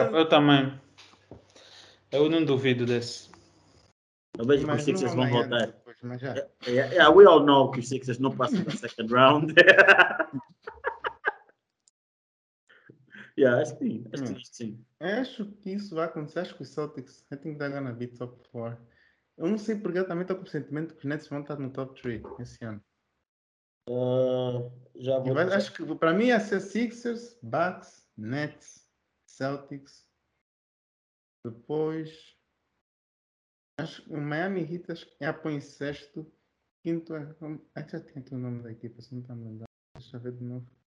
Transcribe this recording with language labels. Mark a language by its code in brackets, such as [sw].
[pt] Eu também. Eu não duvido desse. Eu vejo que os Sixers vão voltar. [en] Yeah, we all know [pt] que os Sixers não passam na [en] second round. [pt] Acho que sim. Acho que isso vai acontecer. Acho que os Celtics, [en] I think they're gonna be top 4. [pt] Eu não sei porque eu também estou com o sentimento que os Nets vão estar no top 3 esse ano. Já vou. Vai, acho que para mim ia ser Sixers, Bucks, Nets, Celtics, depois acho que o Miami Heat é a põe em sexto, quinto é, acho que já tem o nome da equipa, se não está me lembrando, deixa eu ver de novo.